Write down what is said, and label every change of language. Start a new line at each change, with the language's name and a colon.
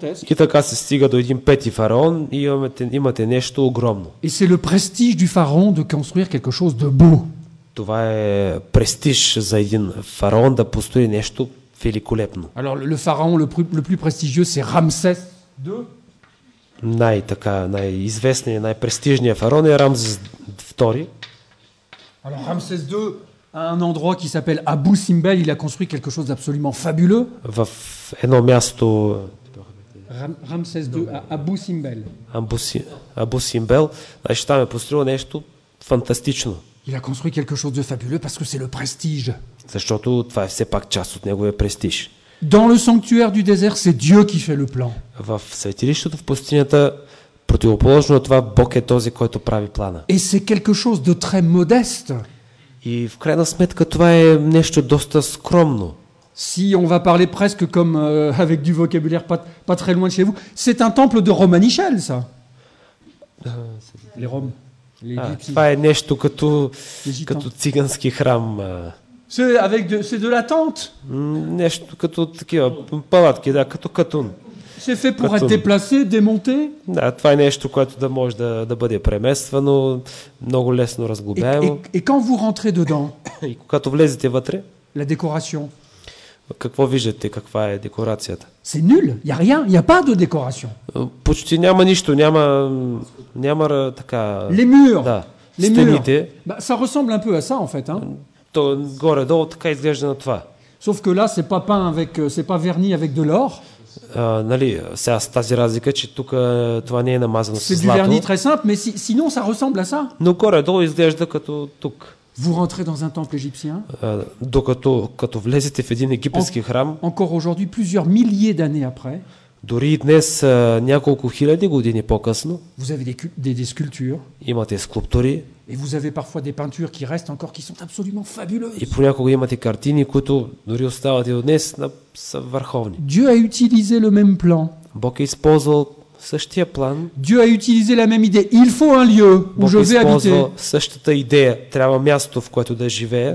Bulgarian: И така се стига до един пети фараон и имате нещо огромно.
French: Et c'est le prestige du pharaon de construire quelque chose de beau.
Bulgarian: Това е престиж за един фараон да построи нещо великолепно.
French: Alors le pharaon le plus prestigieux c'est Рамсес II.
Bulgarian: Най-известният, най-престижният фараон е Рамсес II.
French: Alors Рамсес II a un endroit qui s'appelle Abu Simbel, il a construit quelque chose d'absolument fabuleux.
Bulgarian: В едно място
French: Рамсес II à Abu Simbel.
Bulgarian: Abu Simbel, значи там е построил нещо фантастично.
French: Il a construit quelque chose de fabuleux parce que c'est le prestige.
Bulgarian: Защото това е все пак част от неговия престиж.
French: Dans le sanctuaire du désert, c'est Dieu qui fait le plan.
Bulgarian: В светилището в пустинята, противоположно от това, Бог е този, който прави плана.
French: Et c'est quelque chose de très modeste.
Bulgarian: И в крайна сметка това е нещо доста скромно.
French: Si on va parler presque comme avec du vocabulaire pas très loin de chez vous, c'est un temple de Romanichel, ça. Les Roms.
Bulgarian: Това е нещо като цигански храм.
French: C'est de la tente.
Bulgarian: Нещо като такива палатки, да, като катун.
French: C'est fait pour être déplacé, démonté.
Bulgarian: Да, това е нещо, което да може да бъде премествано, много лесно разглобяемо.
French: Et quand vous rentrez dedans?
Bulgarian: И когато влезете вътре?
French: La décoration.
Bulgarian: Какво виждате, каква е декорацията?
French: C'est nul, y a rien, y a pas de décoration.
Bulgarian: Почти няма нищо, няма така.
French: Les murs.
Bulgarian: Да.
French: Les
Bulgarian: стените.
French: Murs. Bah, ça ressemble un peu à ça en fait, hein.
Bulgarian: То горе-долу така изглежда на това.
French: Sauf que là c'est pas peint avec c'est pas verni avec de l'or.
Bulgarian: Нали, сега с тази разлика, че тук това не е намазано с злато. Но горе-долу изглежда като тук.
French: Vous rentrez dans un temple égyptien?
Bulgarian: Докато като влезете в един египетски храм.
French: Encore aujourd'hui plusieurs milliers d'années après.
Bulgarian: Дори днес няколко хиляди години по-късно.
French: Vous avez des sculptures?
Bulgarian: Имате скулптури.
French: Et vous avez parfois des peintures qui restent encore qui sont absolument fabuleuses.
Bulgarian: И понякога имате картини, които дори остават и днес са върховни.
French: Dieu a utilisé le même plan.
Bulgarian: Бог е използвал същия план.
French: Dieu a utilisé la même idée. Il faut un lieu où je vais habiter.
Bulgarian: Бог е използвал същата идея. Трябва място, в което да живея.